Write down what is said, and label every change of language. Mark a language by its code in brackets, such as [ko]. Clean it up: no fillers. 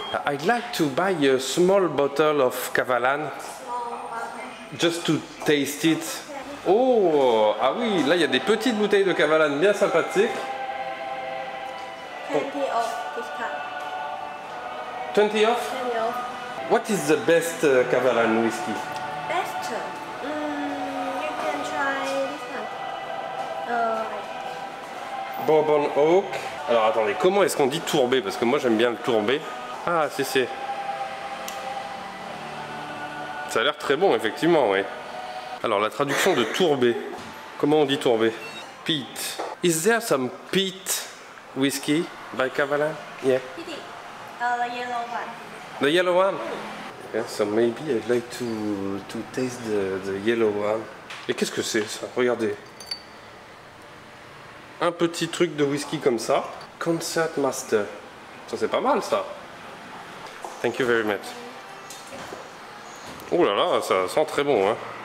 [en] I'd like to buy a small bottle of Kavalan. Just to taste it. [fr] Oh, ah oui, là il y a des petites bouteilles de Kavalan bien sympathiques. [en] 20 off discount. 20 off? 20 off. What is the best Kavalan whiskey? Best? You can try this one. Bourbon Oak. [fr] Alors attendez, comment est-ce qu'on dit tourbé? Parce que moi j'aime bien le tourbé. Ah, c'est. Ça a l'air très bon, effectivement, oui. Alors la traduction de tourbé. Comment on dit tourbé? Peat. [en] Is there some peat whiskey by Cavalin? Yeah. The yellow one. The yellow one? Yeah, so maybe I'd like to taste the yellow one. [fr] Et qu'est-ce que c'est ça? Regardez. Un petit truc de whisky comme ça. Concert Master. Ça, c'est pas mal, ça. [en] Thank you very much. [fr] Oh là là, ça sent très bon, hein.